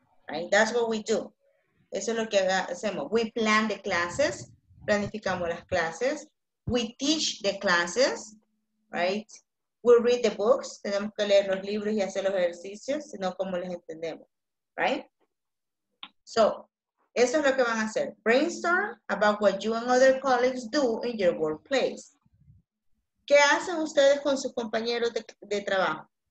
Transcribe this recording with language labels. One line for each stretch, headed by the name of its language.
English: Right? That's what we do.
Spanish: Eso es lo que hacemos.
English: We plan the classes.
Spanish: Planificamos las clases.
English: We teach the classes. Right? We read the books.
Spanish: Tenemos que leer los libros y hacer los ejercicios, sino como les entendemos. Right? So, eso es lo que van a hacer.
English: Brainstorm about what you and other colleagues do in your workplace.
Spanish: ¿Qué hacen ustedes con sus compañeros de trabajo?